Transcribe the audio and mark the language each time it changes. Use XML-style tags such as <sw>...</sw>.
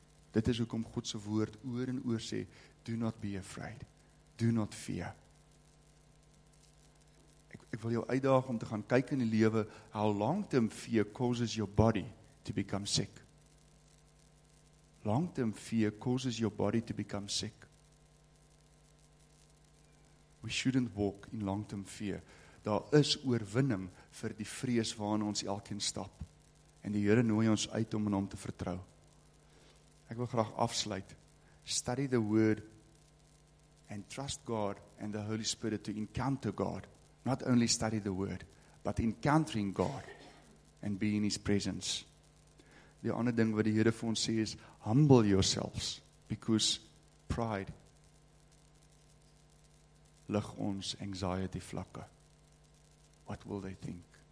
<af>Dit is hoekom God se woord oor en oor sê,</af> <en>do not be afraid, do not fear.</en> <af>Ek wil jou uitdaag om te gaan kyk in die lewe,</af> <en>how long term fear causes your body to become sick. Long term fear causes your body to become sick. We shouldn't walk in long term fear.</en> <af>Daar is oorwinning vir die vrees waarin ons elkeen stap. En die Here nooi ons uit om in hom te vertrou. Ek wil graag afsluit.</af> <en>Study the word and trust God and the Holy Spirit to encounter God. Not only study the word, but encountering God and be in his presence.</en> <af>Die ander ding wat die Here vir ons sê is,</af> <en>humble yourselves, because pride</en> <af>lig ons anxiety vlakke.</af> <en>What will they think?</en>